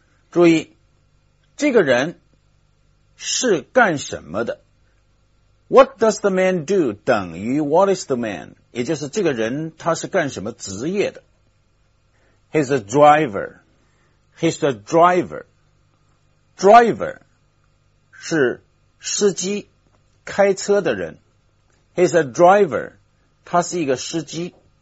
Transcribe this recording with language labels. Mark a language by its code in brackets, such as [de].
[zh] 注意，这个人是干什么的？ [en] What does the man do 等于 What is the man? [zh] 也就是这个人他是干什么职业的？ [en] He's a driver. He's a driver. Driver [zh] 是司机，开车的人。 [en] He's a driver. [zh] 他是一个司机。